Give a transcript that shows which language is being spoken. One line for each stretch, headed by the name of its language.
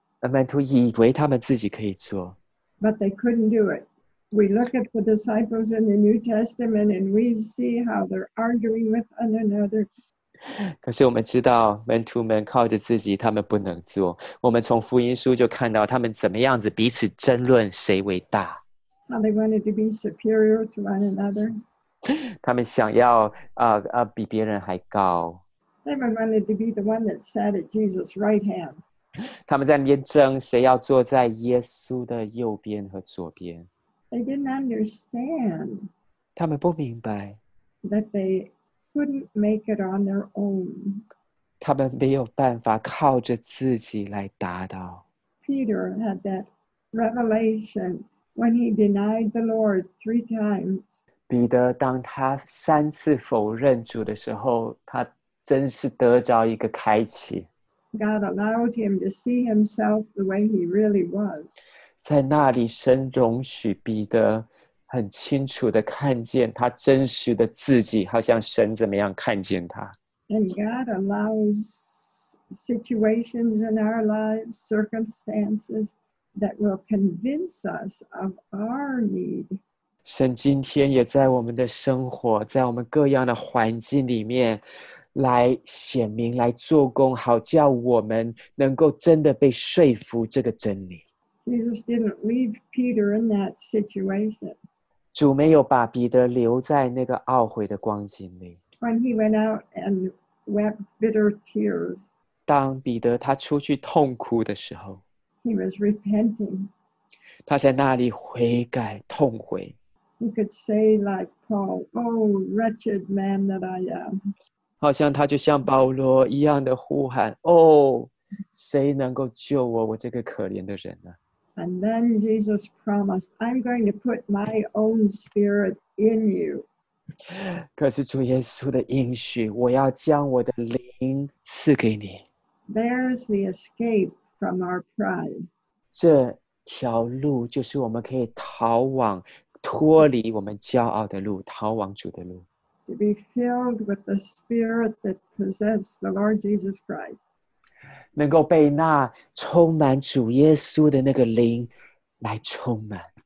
Chinese: 门徒以为他们自己可以做。
English: But they couldn't do it. We look at the disciples in the New Testament and we see how they're arguing with one another.
Chinese: 可是我们知道门徒们靠着自己他们不能做，我们从福音书就看到他们怎么样子彼此争论谁伟大。
English: How they wanted to be superior to one another.
Chinese: 他们想要比别人还高。
English: They wanted to be the one that sat at Jesus' right hand.
Chinese: 他们在那边争谁要坐在耶稣的右边和左边。
English: They didn't understand.
Chinese: 他们不明白。
English: That they... couldn't make it on their own.
Chinese: 他们没有办法靠着自己来达到。
English: Peter had that revelation when he denied the Lord three times.
Chinese: 彼得当他三次否认主的时候，他真是得着一个开启。
English: God allowed him to see himself the way he really was.
Chinese: 在那里，神容许彼得很清楚的看见他真实的自己，好像神怎么样看见他。
English: And God allows situations in our lives, circumstances that will convince us of our need.
Chinese: 神今天也在我们的生活，在我们各样的环境里面来显明，来做工，好叫我们能够真的被说服这个真理。
English: Jesus didn't leave Peter in that situation.
Chinese: 主没有把彼得留在那个懊悔的光景里。
English: When he went out and wept bitter tears,
Chinese: 当彼得他出去痛哭的时候，
English: he was repenting.
Chinese: 他在那里悔改，痛悔。
English: He could say like Paul, "Oh, wretched man that I am."
Chinese: 好像他就像保罗一样的呼喊，哦，谁能够救我？我这个可怜的人呢？
English: And then Jesus promised, I'm going to put my own spirit in you.
Chinese: 可是主耶稣的应许，我要将我的灵赐给你。
English: There's the escape from our pride.
Chinese: 这条路就是我们可以逃往、脱离我们骄傲的路，逃往主的路。
English: To be filled with the spirit that possessed the Lord Jesus Christ.
Chinese: 能够被那充满主耶稣的那个灵来充满。